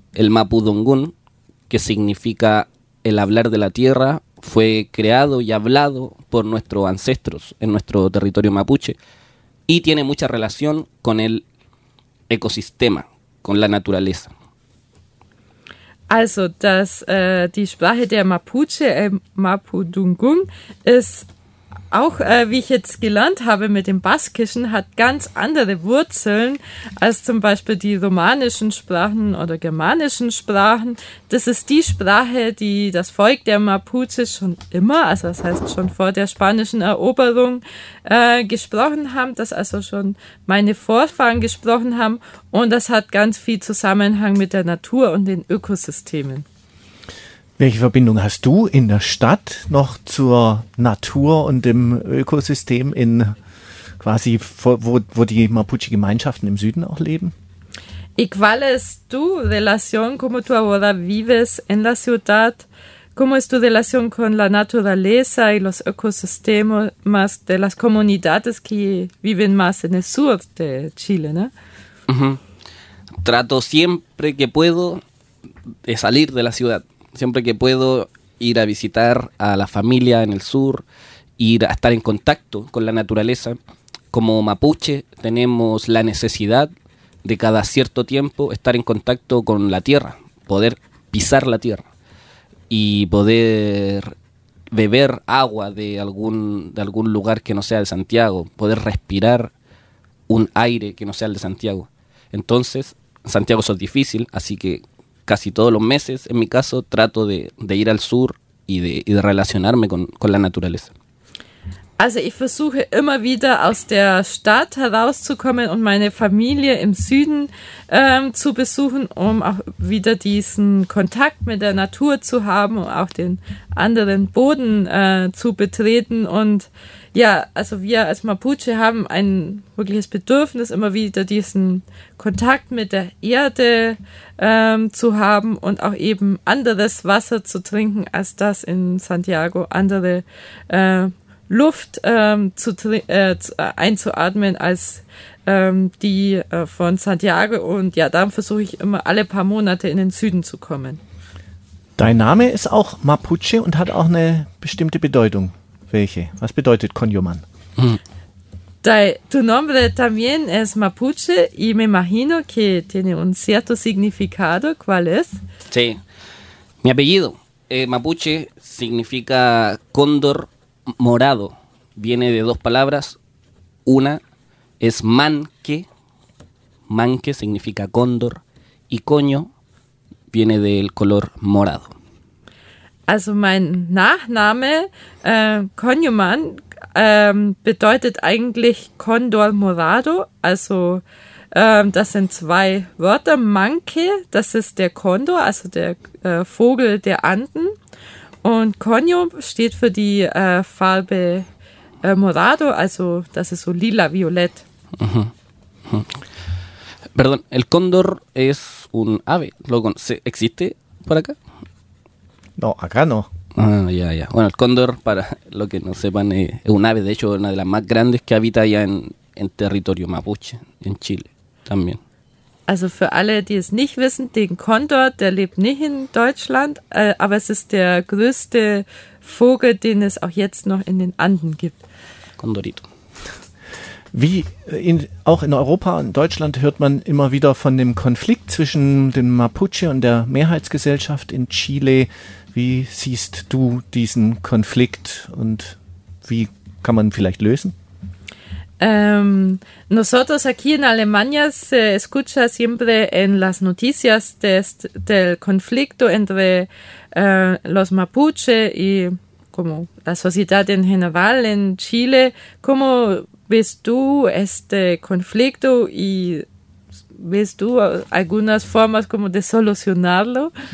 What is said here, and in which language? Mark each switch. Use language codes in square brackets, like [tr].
[es] El mapudungun, que significa el hablar de la tierra, fue creado y hablado por nuestros ancestros en nuestro territorio mapuche y tiene mucha relación con el ecosistema, con la naturaleza. [de] Also, die Sprache der Mapuche, el mapudungun, es auch, wie ich jetzt gelernt habe mit dem Baskischen, hat ganz andere Wurzeln als zum Beispiel die romanischen Sprachen oder germanischen Sprachen. Das ist die Sprache, die das Volk der Mapuche schon immer, also das heißt schon vor der spanischen Eroberung, gesprochen haben, das also schon meine Vorfahren gesprochen haben. Und das hat ganz viel Zusammenhang mit der Natur und den Ökosystemen. Welche Verbindung hast du in der Stadt noch zur Natur und dem Ökosystem in quasi, wo die Mapuche-Gemeinschaften im Süden auch leben? [es] ¿Y cuál es tu relación, como tú ahora vives en la ciudad? ¿Cómo es tu relación con la naturaleza y los ecosistemas de las comunidades que viven más en el sur de Chile, ¿no? Trato siempre que puedo de salir de la ciudad. Siempre que puedo ir a visitar a la familia en el sur, ir a estar en contacto con la naturaleza. Como mapuche tenemos la necesidad de cada cierto tiempo estar en contacto con la tierra, poder pisar la tierra y poder beber agua de algún lugar que no sea de Santiago, poder respirar un aire que no sea el de Santiago. Entonces, en Santiago eso es difícil, así que casi todos los meses, en mi caso, trato de ir al sur y de relacionarme con la naturaleza. [de] Also ich versuche immer wieder aus der Stadt herauszukommen und meine Familie im Süden zu besuchen, um auch wieder diesen Kontakt mit der Natur zu haben und auch den anderen Boden zu betreten. Und ja, also wir als Mapuche haben ein wirkliches Bedürfnis, immer wieder diesen Kontakt mit der Erde zu haben und auch eben anderes Wasser zu trinken als das in Santiago, andere Luft einzuatmen als die von Santiago. Und ja, darum versuche ich immer alle paar Monate in den Süden zu kommen. Dein Name ist auch Mapuche und hat auch eine bestimmte Bedeutung. Welche? Was bedeutet Conjoman? [es] Tu nombre también es Mapuche y me imagino que tiene un cierto significado. ¿Cuál es? Sí, mi apellido Mapuche significa cóndor morado, viene de dos palabras, una es manque significa cóndor, y coño viene del color morado. [de] Also mein Nachname, Conjoman, bedeutet eigentlich cóndor morado, also das sind zwei Wörter, manque, das ist der Kondor, also der Vogel der Anden. Und Conjo steht für die Farbe morado, also das ist so lila-violett. [es] Perdón, el cóndor es un ave. ¿Existe por acá? No, acá no. Ya. Bueno, el cóndor, para lo que no sepan, es un ave, de hecho, una de las más grandes que habita ya en territorio mapuche, en Chile también. [de] Also für alle, die es nicht wissen, den Kondor, der lebt nicht in Deutschland, aber es ist der größte Vogel, den es auch jetzt noch in den Anden gibt. [es] Condorito. [de] Wie in, auch in Europa und Deutschland hört man immer wieder von dem Konflikt zwischen den Mapuche und der Mehrheitsgesellschaft in Chile. Wie siehst du diesen Konflikt und wie kann man vielleicht lösen? [es] Nosotros aquí en Alemania se escucha siempre en las noticias del conflicto entre los Mapuche y como la sociedad en general en Chile. ¿Cómo ves tú este conflicto y ves tú algunas formas como de solucionarlo?